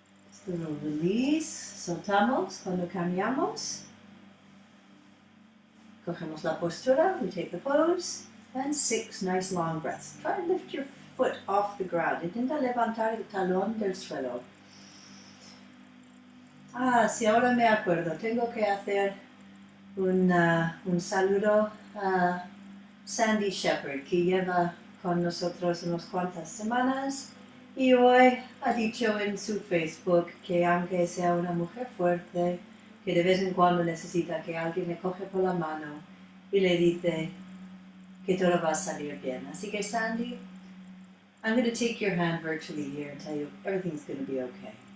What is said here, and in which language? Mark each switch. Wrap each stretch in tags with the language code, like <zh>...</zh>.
<en>Just a little release.</en> <es>Soltamos cuando cambiamos. Cogemos la postura.</es> <en>We take the pose. And 6 nice long breaths. Try and lift your foot off the ground.</en> <es>Intenta levantar el talón del suelo. Ah, si ahora me acuerdo, tengo que hacer un saludo a Sandy Shepherd, que lleva con nosotros unas cuantas semanas, y hoy ha dicho en su Facebook que aunque sea una mujer fuerte, que de vez en cuando necesita que alguien le coge por la mano y le dice que todo va a salir bien. Así que</es> <en>Sandy, I'm going to take your hand virtually here and tell you everything's going to be okay.</en>